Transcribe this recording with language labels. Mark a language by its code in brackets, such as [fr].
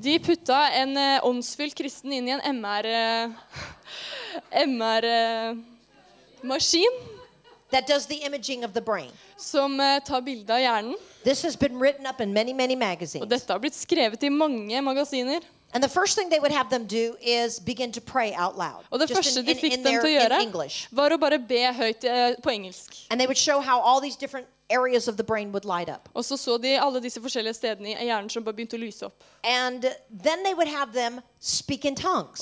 [no] De putta en åndsfylt kristen inn i en MR-maskin. [en] That does the imaging of the brain. [no] Som tar bilder av hjernen. [en] This has been written up in many, many magazines. [no] Og dette har blitt skrevet i mange magasiner. [en] And the first thing they would have them do is begin to pray out loud. [no] Og det første de fikk dem til å gjøre var å bare be høyt på engelsk. [en] And they would show how all these different areas of the brain would light up. [no] Og så de alle disse forskjellige stedene i hjernen som bare begynte å lyse opp. [en] And then they would have them speak in tongues.